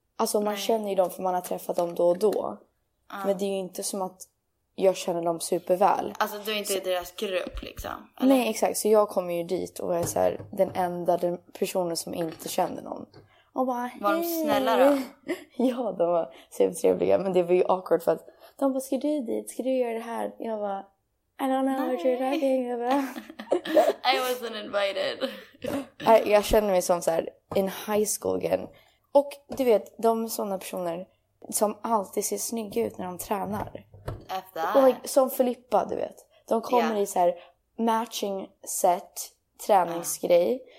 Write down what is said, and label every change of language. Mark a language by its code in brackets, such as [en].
[sv] Alltså man känner ju dem för man har träffat dem då och då. Men det är ju inte som att jag känner dem superväl. Alltså du är inte i deras grupp liksom? Eller? Nej, exakt. Så jag kommer ju dit och är så här, den enda personen som inte känner någon. Och bara, var de snälla då? Ja, de var supertrevliga. Men det var ju awkward för att de bara, ska du dit? Ska du göra det här? Jag bara, [en] I don't know what you're talking about. I wasn't invited. [sv] Jag känner mig som så här, [en] in high school again. [sv] Och du vet, de är sådana personer som alltid ser snygga ut när de tränar. Och like, som Filippa, du vet. De kommer i så här matching set, träningsgrej.